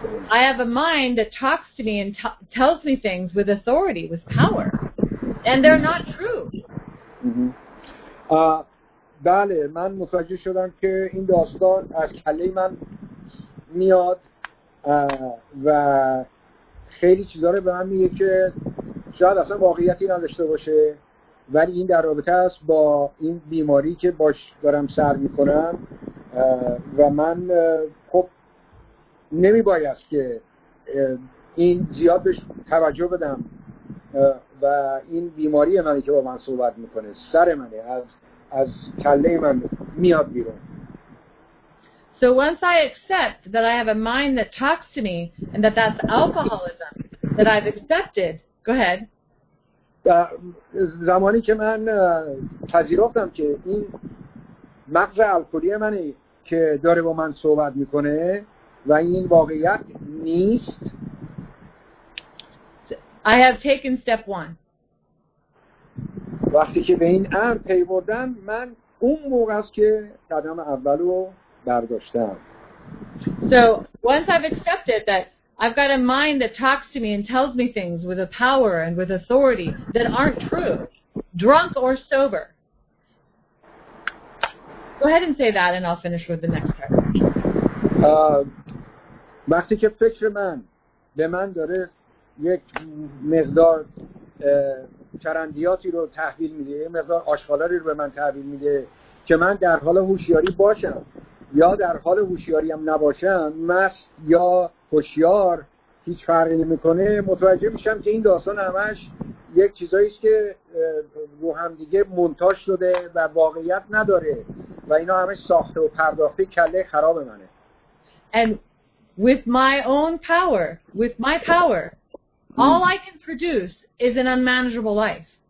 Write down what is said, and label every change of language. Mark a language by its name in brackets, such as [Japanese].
[English] I have a mind that talks to me and tells me things with authority, with power, and they're not true. [Persian] بله من متوجه شدم که این داستان از کله من میاد و خیلی چیزا رو به من میگه که شاید اصلا واقعیتی نداشته باشه، ولی این در رابطه است با این بیماری که باش دارم سر میکنم و من خب نمیبایست که این زیاد بهش توجه بدم و این بیماری منی که با من صحبت میکنه، سر منه، از کله من میاد بیرون. [English] So once I accept that I have a mind that talks to me and that that's alcoholism that I've accepted, go ahead. [Persian] زمانی که من پذیرفتم که این مغز الکلی منه که داره با من صحبت میکنه و این واقعیت نیست. [English] I have taken step one. [Persian] وقتی که به این امر پی بردم، من اون موقع است که قدم اول رو برداشتم. [English] So once I've accepted that I've got a mind that talks to me and tells me things with a power and with authority that aren't true, drunk or sober. Go ahead and say that and I'll finish with the next part. [Persian] وقتی که فکر من به من داره یک مقدار چرندیاتی رو تحویل میده، یک مقدار آشغالاری رو به من تحویل میده که من در حال هوشیاری باشم یا در حال هوشیاری هم نباشم، مست یا هوشیار هیچ فرقی نمی‌کنه، متوجه میشم که این داستان همش یک چیزایی است که رو هم دیگه مونتاژ شده و واقعیت نداره و اینا همش ساخته و پرداخته کله خراب منه. [English] And with my own power, with my power, all I can produce is an unmanageable life.